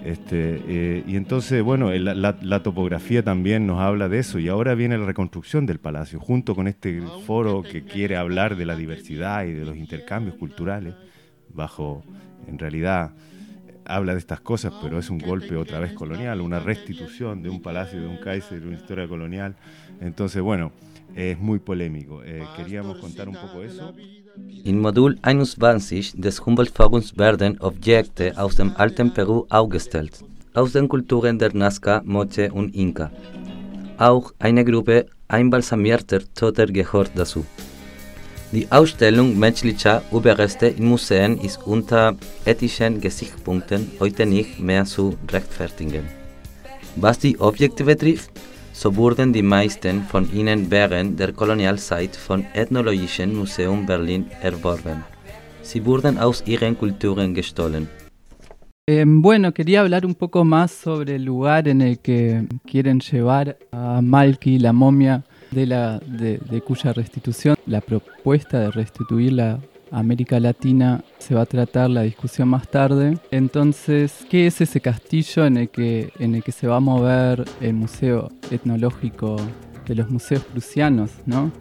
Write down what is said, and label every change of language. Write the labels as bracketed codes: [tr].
[es] Y entonces, bueno, la topografía también nos habla de eso, y ahora viene la reconstrucción del palacio, junto con este foro que quiere hablar de la diversidad y de los intercambios culturales, bajo, en realidad, habla de estas cosas, pero es un golpe otra vez colonial, una restitución de un palacio, de un Kaiser, de una historia colonial. Entonces, bueno, es muy polémico. Queríamos contar un poco eso. [de] In Modul 21 des Humboldt-Forums werden Objekte aus dem alten Peru aufgestellt, aus den Kulturen der Nazca, Moche und Inka. Auch eine Gruppe einbalsamierter Toter gehört dazu. Die Ausstellung menschlicher Überreste in Museen ist unter ethischen Gesichtspunkten heute nicht mehr zu rechtfertigen. Was die Objekte betrifft, so wurden die meisten von ihnen während der Kolonialzeit vom Ethnologischen Museum Berlin erworben. Sie wurden aus ihren Kulturen gestohlen. [es] Bueno, quería hablar un poco más sobre el lugar en el que quieren llevar a Malki la momia de cuya restitución, la propuesta de restituir la América Latina, se va a tratar la discusión más tarde. Entonces, ¿qué es ese castillo en el que se va a mover el Museo Etnológico de los Museos Prusianos, ¿no?